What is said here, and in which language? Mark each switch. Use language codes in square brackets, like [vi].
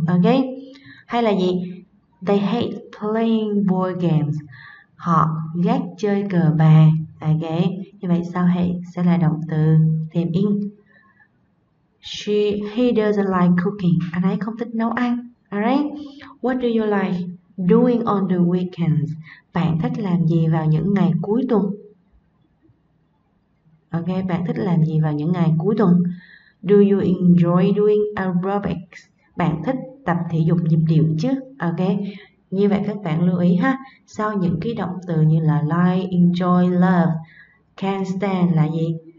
[en] Ok, [vi] hay là gì? [en] They hate playing board games. [vi] Họ ghét chơi cờ bạc. Ok, như vậy sao hay sẽ là động từ thêm in. [en] He doesn't like cooking. [vi] Anh ấy không thích nấu ăn. [en] Alright, what do you like doing on the weekends? [vi] Bạn thích làm gì vào những ngày cuối tuần? Ok, bạn thích làm gì vào những ngày cuối tuần? [en] Do you enjoy doing aerobics? [vi] Bạn thích tập thể dục nhịp điệu chứ? Ok, như vậy các bạn lưu ý ha. Sau những cái động từ như là like, enjoy, love, can't stand là gì?